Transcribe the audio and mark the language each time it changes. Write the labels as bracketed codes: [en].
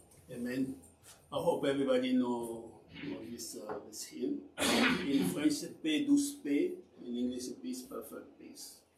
[en] Amen. I hope everybody know this hymn. In French, [fr] c'est paix, douce paix. [en] In English, peace, perfect peace.